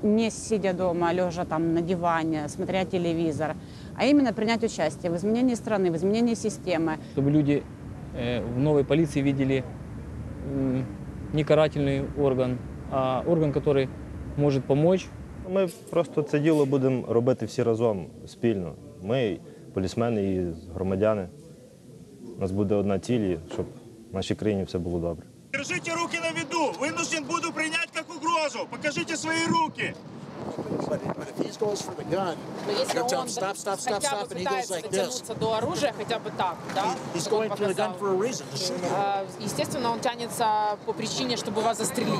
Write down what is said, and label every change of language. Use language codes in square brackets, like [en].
[ru] Не сидя дома, лежа там на диване, смотря телевизор, а именно принять участие в изменении страны, в изменении системы. Чтобы люди в новой полиции видели не карательный орган, а орган, который [uk] може допомогти. Ми просто це діло будемо робити всі разом, спільно. Ми, полісмени і громадяни, у нас буде одна ціль, щоб в нашій країні все було добре. [ru] Держите руки на виду. Вынужден буду принять как угрозу. Покажите свои руки. Естественно, он тянется по причине, чтобы вас застрелить.